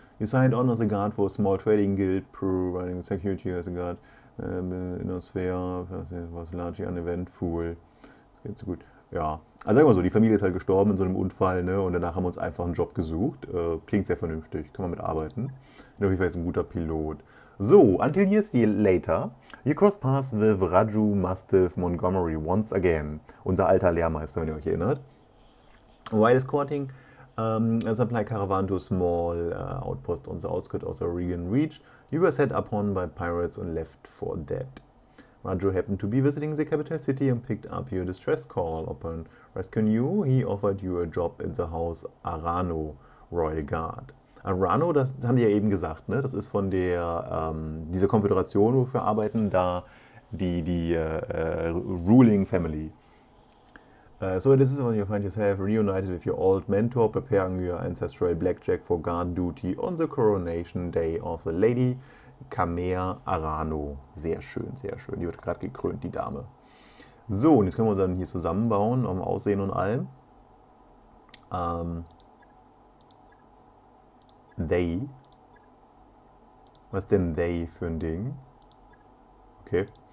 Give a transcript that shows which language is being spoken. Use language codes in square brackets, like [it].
[en] You signed on as a guard for a small trading guild. Providing security as a guard. Innosphere was largely uneventful. [de] Das geht so gut. Ja, also sagen wir mal so, die Familie ist halt gestorben in so einem Unfall, ne, und danach haben wir uns einfach einen Job gesucht. Klingt sehr vernünftig, kann man mitarbeiten. Auf jeden Fall ist ein guter Pilot. [en] So, until years later, you cross paths with Raju Mastiff Montgomery once again. [de] Unser alter Lehrmeister, wenn ihr euch erinnert. [en] While escorting, supply caravan to a small outpost on the outskirts of the Regan Reach, you were set upon by pirates and left for dead. Raju happened to be visiting the capital city and picked up your distress call. Upon rescuing you, he offered you a job in the house Arano, Royal Guard. [de] Arano, das haben die ja eben gesagt, ne? Das ist von der, dieser Konföderation, wo wir arbeiten, da die Ruling Family. [en] So this is when you find yourself reunited with your old mentor, preparing your ancestral blackjack for guard duty on the coronation day of the lady. [de] Kamea Arano. Sehr schön, sehr schön. Die wird gerade gekrönt, die Dame. So, und jetzt können wir uns dann hier zusammenbauen, um Aussehen und allem. They. Was ist denn they für ein Ding? Okay.